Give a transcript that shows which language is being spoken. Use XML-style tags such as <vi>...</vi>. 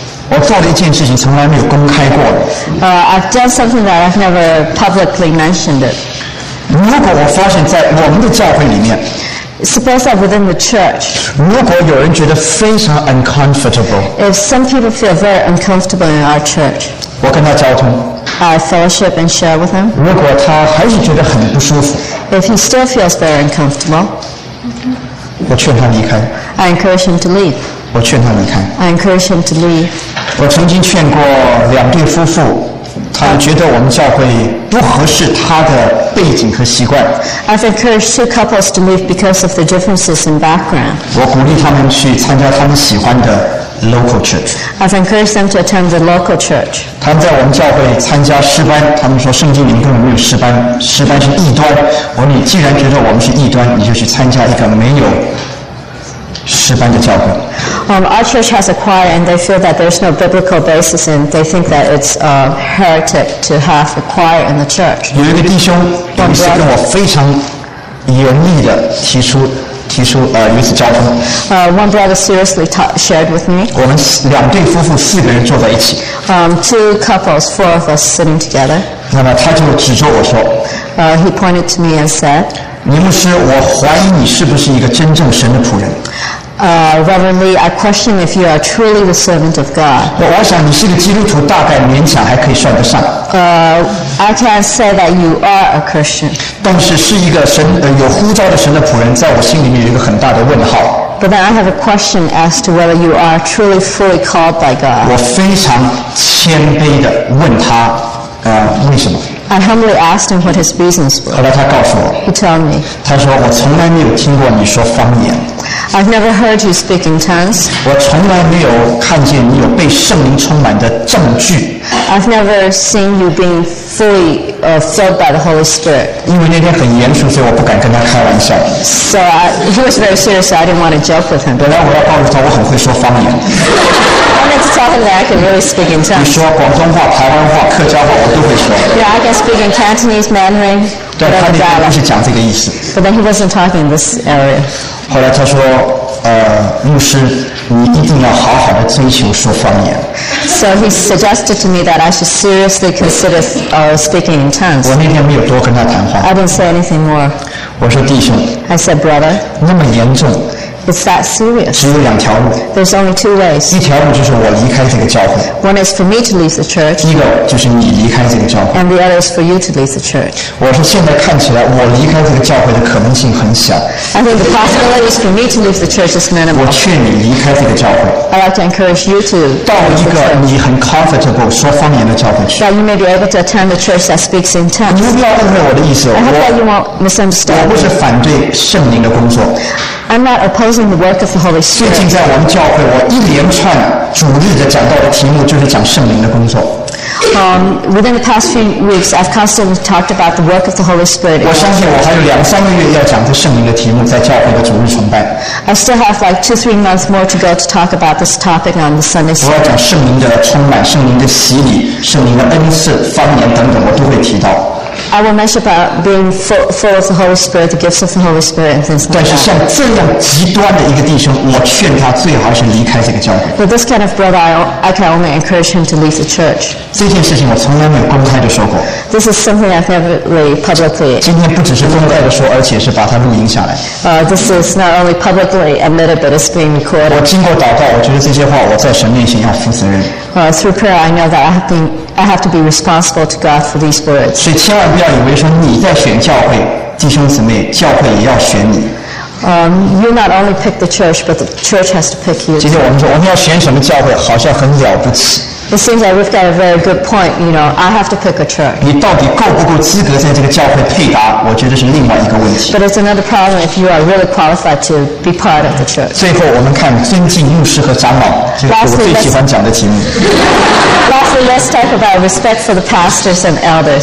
<zh>我做了一件事情，从来没有公开过的。</zh> <en>I've done something that I've never publicly mentioned it.</en> <zh>如果我发现在我们的教会里面</zh> <en>Suppose that within the church,</en> <zh>如果有人觉得非常 uncomfortable,</zh> <en>if some people feel very uncomfortable in our church,</en> <zh>我跟他交通</zh> <en>I fellowship and share with him.</en> <zh>如果他还是觉得很不舒服</zh> <en>if he still feels very uncomfortable,</en> <zh>我劝他离开</zh> <en>I encourage him to leave.</en> <zh>我劝他离开</zh> <en>I encourage him to leave.</en> <zh>我曾经劝过两对夫妇他觉得我们教会不合适他的背景和习惯。</zh> <en>I've encouraged two couples to leave because of the differences in background.</en> <zh>我鼓励他们去参加他们喜欢的</zh> <en>local church. I've encouraged them to attend the local church.</en> <zh>他们在我们教会参加诗班，他们说圣经里根本没有诗班，诗班是异端。我说你既然觉得我们是异端，你就去参加一个没有诗班的教会。</zh> <en>Our church has a choir and they feel that there's no biblical basis and they think that it's heretic to have a choir in the church.</en> <zh>有一个弟兄有一次跟我非常严厉的提出与此交锋。</zh> <en>One brother seriously shared with me.</en> <zh>我们两对夫妇四个人坐在一起。</zh> <en>Two couples, four of us sitting together.</en> <zh>那么他就指着我说。</zh> <en>He pointed to me and said,</en> <zh>尼牧师，我怀疑你是不是一个真正神的仆人。</zh> <en>Reverend Lee, I question if you are truly the servant of God.</en> <zh>我想你是个基督徒，大概勉强还可以算得上。</zh> <en>I can say that you are a Christian.</en> <zh>但是是一个神有呼召的神的仆人，在我心里面有一个很大的问号。</zh> <en>But then I have a question as to whether you are truly fully called by God.</en> <zh>我非常谦卑的问他，为什么？</zh> <en>I humbly asked him what his reasons were.</en> <zh>后来他告诉我</zh> <en>He told me.</en> <zh>他说我从来没有听过你说方言。</zh> <en>I've never heard you speak in tongues.</en> <zh>我从来没有看见你有被圣灵充满的证据。</zh> <en>I've never seen you being fully filled by the Holy Spirit.</en> <zh>因为那天很严肃，所以我不敢跟他开玩笑。</zh> <en>So he was very serious, so I didn't want to joke with him.</en> <zh>本来我要告诉他我很会说方言。</zh> <en>I can really speak in tongues. You say</en> <zh>广东话、台湾话、客家话，我都会说。</zh> <en>Yeah, I can speak in Cantonese, Mandarin.</en> <zh>对，他那不是讲这个意思。</zh> <en>But then he wasn't talking in this area.</en> <zh>后来他说，牧师，你一定要好好的追求说方言。</zh> <en>So he suggested to me that I should seriously consider speaking in tongues.</en> <zh>我那天没有多跟他谈话。</zh> <en>I didn't say anything more.</en> <zh>我说弟兄。</zh> <en>I said brother.</en> <zh>那么严重。</zh> <en>It's that serious.</en> <zh>只有两条路。</zh> <en>There's only two ways.</en> <zh>一条路就是我离开这个教会。</zh> <en>One is for me to leave the church.</en> <zh>一个就是你离开这个教会。</zh> <en>And the other is for you to leave the church.</en> <zh>我说现在看起来我离开这个教会的可能性很小。</zh> <en>I think the possibility is for me to leave the church is minimal.</en> <zh>我劝你离开这个教会。</zh> <en>I'd like to encourage you to.</en> <zh>到一个你很 comfortable 说方言的教会去。</zh> <en>That you may be able to attend the church that speaks in tongues.</en> <zh>你不要误会我的意思。</zh> <en>I hope that you won't misunderstand.</en> <zh>我不是反对圣灵的工作。</zh> <en>I'm not opposing the work of the Holy Spirit.</en> <zh>最近在我们教会，我一连串主日的讲到的题目就是讲圣灵的工作。</zh> <en>Within the past few weeks, I've constantly talked about the work of the Holy Spirit.</en> <zh>我相信我还有两三个月要讲这圣灵的题目在教会的主日崇拜。</zh> <en>I still have like 2-3 months more to go to talk about this topic on the Sunday service.</en> <zh>我要讲圣灵的充满、圣灵的洗礼、圣灵的恩赐、方言等等，我都会提到。</zh> <en>I will mention about being full of the Holy Spirit, the gifts of the Holy Spirit, and things like that.</en> <zh>但是像这样极端的一个弟兄，我劝他最好是离开这个教会。</zh> <en>But this kind of brother, I can only encourage him to leave the church.</en> <zh>这件事情我从来没有公开的说过。</zh> <en>This is something I've never really publicly.</en> <zh>今天不只是公开的说，而且是把它录音下来。</zh> <en>This is not only publicly admitted, but it's being recorded.</en> <zh>我经过祷告，我觉得这些话我在神面前要负责任。</zh> <en>Through prayer, I know that I have to be responsible to God for these words.</en> <zh>所以千万不要以为说你在选教会，弟兄姊妹，教会也要选你。</zh> <en>You not only pick the church, but the church has to pick you.</en> <zh>今天我们说我们要选什么教会，好像很了不起。</zh> <en>It seems like we've got a very good point. You know, I have to pick a church.</en> <zh>你到底够不够资格在这个教会配搭？我觉得是另外一个问题。</zh> <en>But it's another problem if you are really qualified to be part of the church.</en> <zh>最后，我们看尊敬牧师和长老，这是我最喜欢讲的题目。</zh> <en>Lastly, let's talk about respect for the pastors and elders.</en>